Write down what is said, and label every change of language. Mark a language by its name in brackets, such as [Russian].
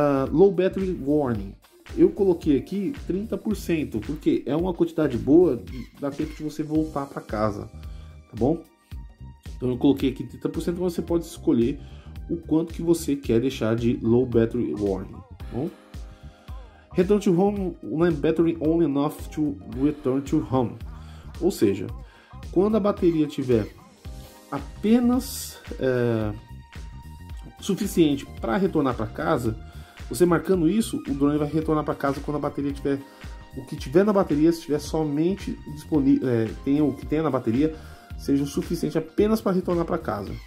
[Portuguese] Low battery warning. Eu coloquei aqui 30%, porque é uma quantidade boa, dá tempo de você voltar para casa, tá bom? Então eu coloquei aqui 30%, mas você pode escolher o quanto que você quer deixar de low battery warning, tá bom? [English] Return to home, when battery only enough to return to home. [Portuguese] Ou seja, quando a bateria tiver apenas suficiente para retornar para casa, você marcando isso, o drone vai retornar para casa quando a bateria tiver o que tiver na bateria, se tiver somente disponível, tenha o que tenha na bateria, seja o suficiente apenas para retornar para casa.